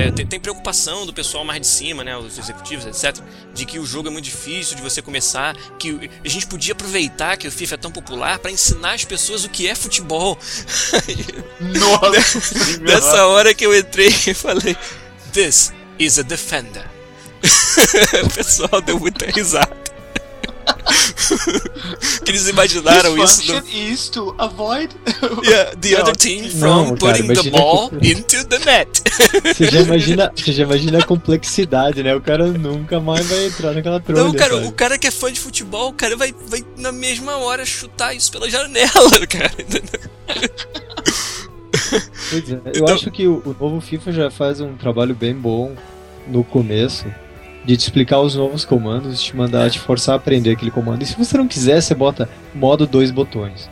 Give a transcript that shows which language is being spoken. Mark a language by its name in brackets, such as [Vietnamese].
[Portuguese] tem preocupação do pessoal mais de cima, né, os executivos, etc., de que o jogo é muito difícil de você começar, que a gente podia aproveitar que o FIFA é tão popular pra ensinar as pessoas o que é futebol. Nossa! Nessa hora que eu entrei, eu falei, [English] this is a defender. [Portuguese] O pessoal deu muita risada. Que eles imaginaram isso. [English] The function is to avoid the other team from putting the ball into the net. [Portuguese] Você já imagina a complexidade, né? O cara nunca mais vai entrar naquela trolha. Não, cara, o cara que é fã de futebol, o cara vai na mesma hora chutar isso pela janela, cara. Pois é, eu acho que o novo FIFA já faz um trabalho bem bom no começo de te explicar os novos comandos, te mandar te forçar a aprender aquele comando. E se você não quiser, você bota modo dois botões.